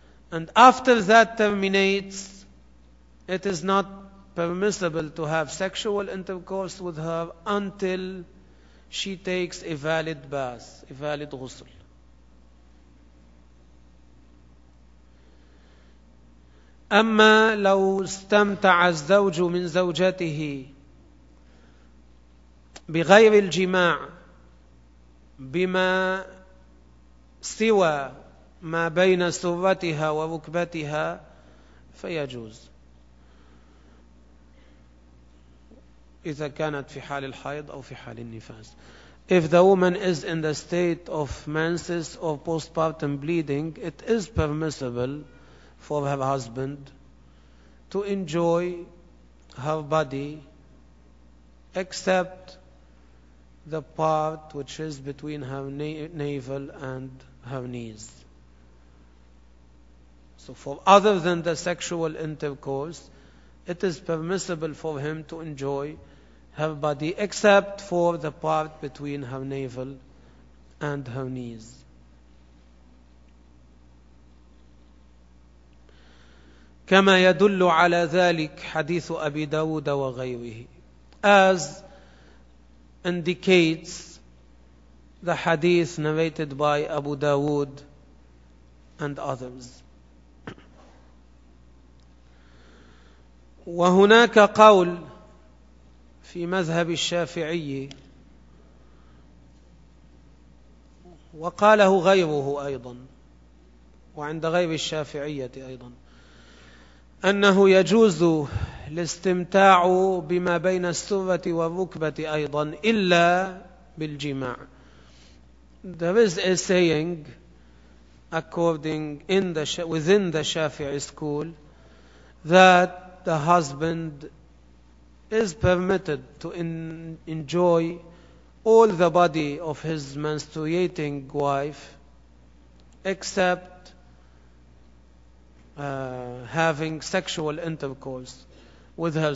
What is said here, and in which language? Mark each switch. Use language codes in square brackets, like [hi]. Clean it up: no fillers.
[en] And after that terminates, it is not permissible to have sexual intercourse with her until she takes a valid bath, a valid ghusl. [ar] أما لو استمتع الزوج من زوجته بغير الجماع بما سوى ما بين سرتها وركبتها فيجوز. إذا كانت في حال الحيض أو في حال النفاس. [en] If the woman is in the state of menses or postpartum bleeding, it is permissible for her husband to enjoy her body except the part which is between her navel and her knees. So for other than the sexual intercourse, it is permissible for him to enjoy her body except for the part between her navel and her knees. [ar] كما يدل على ذلك حديث أبي داود وغيره. [en] As indicates the hadith narrated by Abu Dawood and others. [ar] وهناك قول في مذهب الشافعي وقاله غيره أيضا وعند غير الشافعية أيضا أنه يجوز الاستمتاع بما بين السرة والركبة أيضا إلا بالجماع. [en] There is a saying within the Shafi'i school that the husband is permitted to enjoy all the body of his menstruating wife except having sexual intercourse with her.